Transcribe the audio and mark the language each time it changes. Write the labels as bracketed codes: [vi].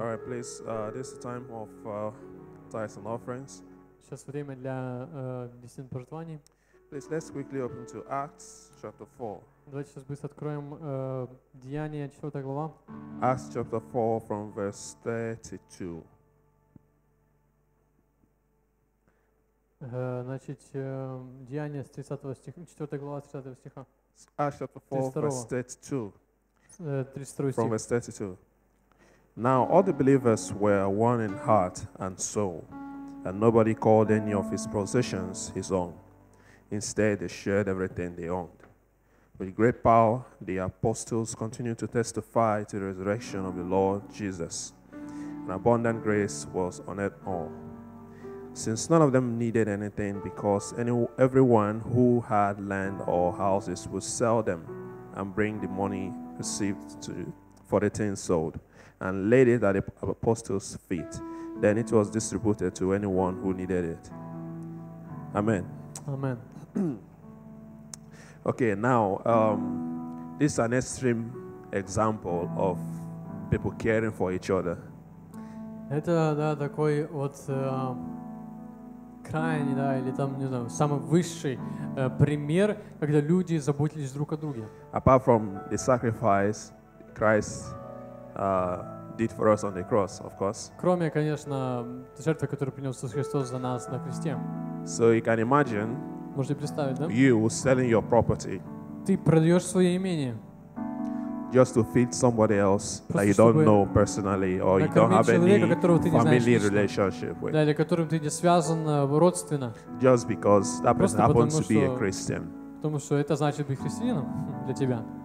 [en] All right, please, this is time of tithes and offerings. [ru] Сейчас время для десятин пожертвований. [en] Please, let's quickly open to Acts chapter 4. [ru] Давайте сейчас быстро откроем Деяния, 4 глава. [en] Acts chapter 4 from verse 32. [ru] Значит, Деяния с 30 стиха, 4 глава, 30 стиха. [en] Acts chapter 4, 32. Verse 32. [ru] 32 стих. [en] From verse 32. Now all the believers were one in heart and soul, and nobody called any of his possessions his own. Instead, they shared everything they owned. With great power, the apostles continued to testify to the resurrection of the Lord Jesus, and abundant grace was on it all. Since none of them needed anything, because everyone who had land or houses would sell them and bring the money received for the things sold, and laid it at the apostles' feet. Then it was distributed to anyone who needed it. Amen. Amen. Okay, now, this is an extreme example of people caring for each other. [ru] Это, да, такой вот крайний, да, или там, не знаю, самый высший пример, когда люди заботились друг о друге. [en] Apart from the sacrifice, Christ did for us on the cross, of course. [ru] Кроме, конечно, жертвы, которую принес Иисус Христос за нас на кресте. [en] So you can imagine. [ru] Можете представить, да? [en] You were selling your property. [ru] Ты продаешь свое имение. [en] Just to feed somebody else [ru] просто [en] that you don't know personally or you don't have [ru] человека, [en] any family relationship with. [ru] Да, или которым ты не связан родственно. [en] Just because that person happens to be a Christian. [ru] Потому что это значит быть христианином для тебя.